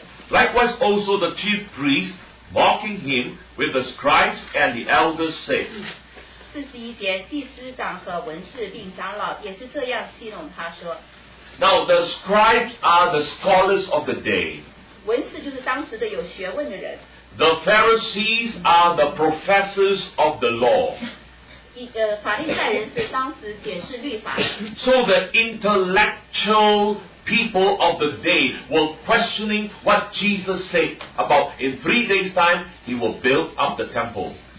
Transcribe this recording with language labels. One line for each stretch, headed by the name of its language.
English: Likewise, also the chief priests, mocking him with the scribes and the elders, say,
Chinese: 41节，祭司长和文士并长老也是这样戏弄他说。
English: Now the scribes are the scholars of the day.
Chinese: 文士就是当时的有学问的人。
English: The Pharisees are the professors of the law.
Chinese: 法利赛人是当时解释律法的。
English: So the intellectual people of the day were questioning what Jesus said about in 3 days' time he will build up the temple.